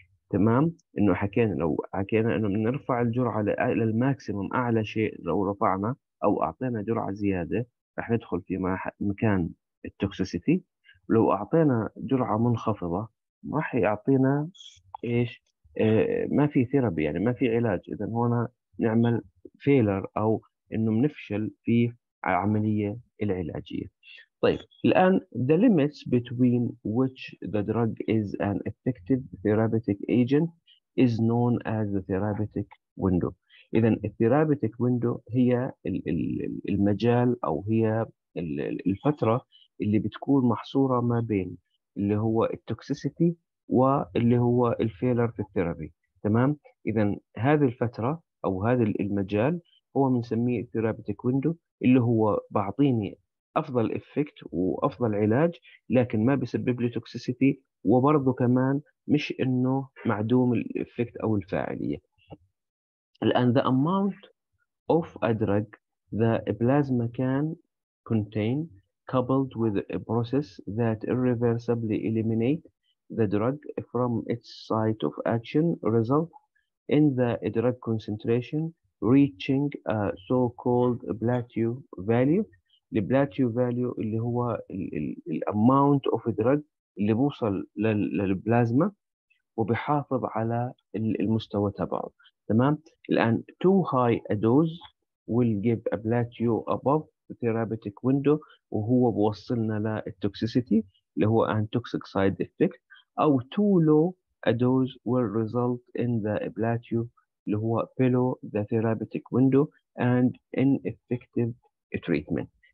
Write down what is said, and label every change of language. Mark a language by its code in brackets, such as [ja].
[ar] تمام، انه حكينا، لو حكينا انه بنرفع الجرعه للماكسيمم اعلى شيء، لو رفعنا او اعطينا جرعه زياده رح ندخل في مكان التوكسيسيتي، لو اعطينا جرعه منخفضه راح يعطينا ايش؟ ما في ثيرابي، يعني ما في علاج، إذا هون نعمل فيلر أو إنه بنفشل في العملية العلاجية. [en] طيب الآن the limits between which the drug is an effective therapeutic agent is known as the therapeutic window. [ar] إذا الثيرابيتك ويندو هي المجال أو هي الفترة اللي بتكون محصورة ما بين اللي هو التوكسيسيتي واللي هو الفيلر في الثيرابي. تمام، اذا هذه الفتره او هذا المجال هو بنسميه الثيرابيتك ويندو، اللي هو بعطيني افضل افكت وافضل علاج لكن ما بسبب لي توكسيسيتي، وبرضه كمان مش انه معدوم الافكت او الفاعليه. [en] الان the amount of a drug the plasma can contain coupled with a process that irreversibly eliminate the drug from its site of action result in the drug concentration reaching a so-called plateau value [ar] البلاتيو فاليو اللي هو [en] الاماونت اوف دراج [ar] اللي بوصل للبلازما وبحافظ على المستوى تبعه. [en] تمام، الان too high a dose will give a plateau above the therapeutic window [ar] وهو بوصلنا للتوكسيسيتي اللي هو [en] ان toxic side effect, او too low a dose will result in the plateau اللي هو below the therapeutic window and ineffective treatment.